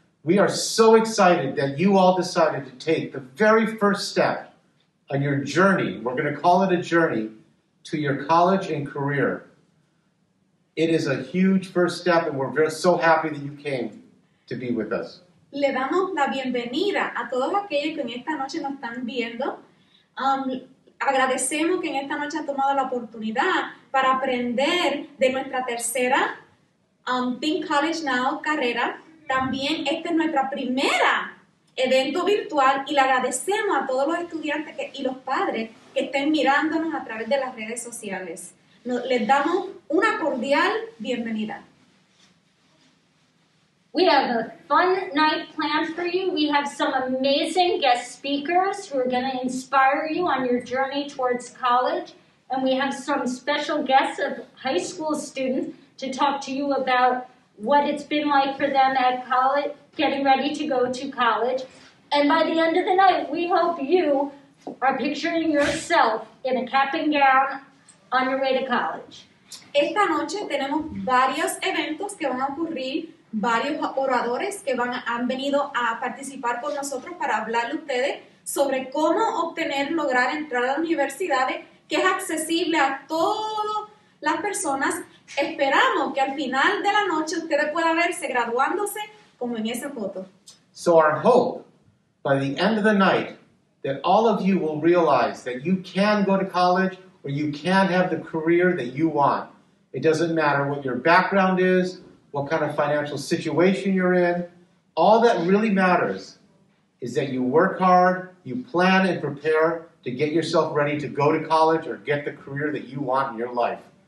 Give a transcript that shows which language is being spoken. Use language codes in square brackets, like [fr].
[en] We are so excited that you all decided to take the very first step on your journey. We're going to call it a journey to your college and career. It is a huge first step, and we're very so happy that you came to be with us. [es] Le damos la bienvenida a todos aquellos que en esta noche nos están viendo. Agradecemos que en esta noche han tomado la oportunidad para aprender de nuestra tercera Think College Now carrera. También esta es nuestra primera evento virtual y le agradecemos a todos los estudiantes que, y los padres que estén mirándonos a través de las redes sociales. Nos, les damos una cordial bienvenida. [en] We have a fun night planned for you. We have some amazing guest speakers who are going to inspire you on your journey towards college. And we have some special guests of high school students to talk to you about what it's been like for them at college, getting ready to go to college. And by the end of the night, we hope you are picturing yourself in a cap and gown on your way to college. [es] Esta noche tenemos varios eventos que van a ocurrir, varios oradores que van a, han venido a participar con nosotros para hablarle a ustedes sobre cómo obtener, lograr entrar a las universidades, que es accesible a todas las personas. Esperamos que al final de la noche ustedes puedan verse graduándose como en esa foto. [en] So our hope, by the end of the night, that all of you will realize that you can go to college or you can have the career that you want. It doesn't matter what your background is, what kind of financial situation you're in. All that really matters is that you work hard, you plan and prepare to get yourself ready to go to college or get the career that you want in your life.